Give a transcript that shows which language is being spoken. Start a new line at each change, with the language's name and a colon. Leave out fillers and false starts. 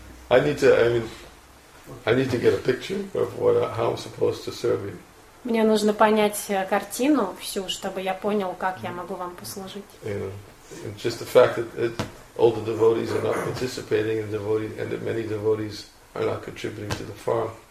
English: I need to get a picture of what how I'm supposed to serve you.
Russian: Мне нужно понять картину всю, чтобы я понял, как я могу вам послужить.
English: You know, and just the fact that all the devotees are not participating in devotees, and that many devotees are not contributing to the farm.